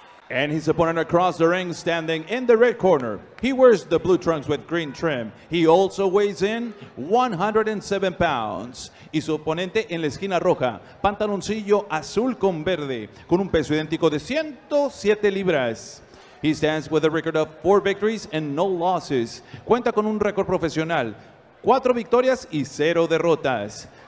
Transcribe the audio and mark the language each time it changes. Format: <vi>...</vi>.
<en>And his opponent across the ring, standing in the red corner. He wears the blue trunks with green trim. He also weighs in 107 pounds.</en> <es>Y su oponente en la esquina roja, pantaloncillo azul con verde, con un peso idéntico de 107 libras.</es> <en>He stands with a record of 4 victories and no losses.</en> <es>Cuenta con un récord profesional, 4 victorias y 0 derrotas.</es>